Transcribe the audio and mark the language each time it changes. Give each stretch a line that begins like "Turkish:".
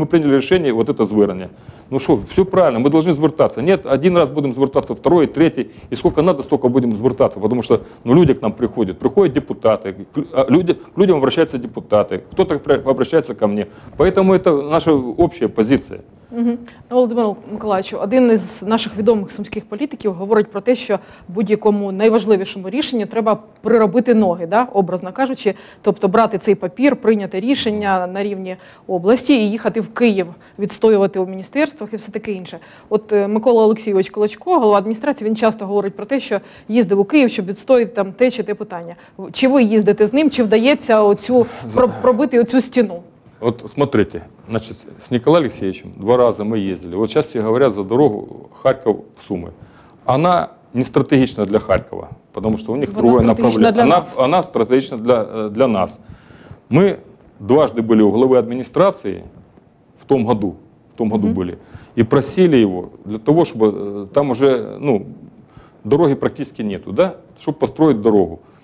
Russian: Мы приняли решение вот это звернення. Ну что, все правильно, мы должны звертаться. Нет, один раз будем звертаться, второй, третий. И сколько надо, столько будем звертаться. Потому что ну, люди к нам приходят. Приходят депутаты, к людям обращаются депутаты. Кто-то обращается ко мне. Поэтому это наша общая позиция. Угу.
Ukrainian: Володимир Миколаївич, один із наших відомих сумських політиків говорить про те, що будь-якому найважливішому рішенню треба приробити ноги, да? Образно кажучи, тобто брати цей папір, прийняти рішення на рівні області і їхати в Київ, відстоювати у міністерствах і все таке інше. От Микола Олексійович Колочко, голова адміністрації, він часто говорить про те, що їздив у Київ, щоб відстояти там те чи те питання. Чи ви їздите з ним, чи вдається оцю, пробити оцю стіну?
Russian: От смотрите, значит, с Николаем Алексеевичем два раза мы ездили. Вот сейчас все говорят за дорогу Харков-Суми. Она не стратегична для Харкова, потому что у них другое направление. Она стратегична для нас. Мы дважды были у главы администрации в том году были, и просили его для того, чтобы там уже, ну, дороги практически нету, да, чтобы построить дорогу.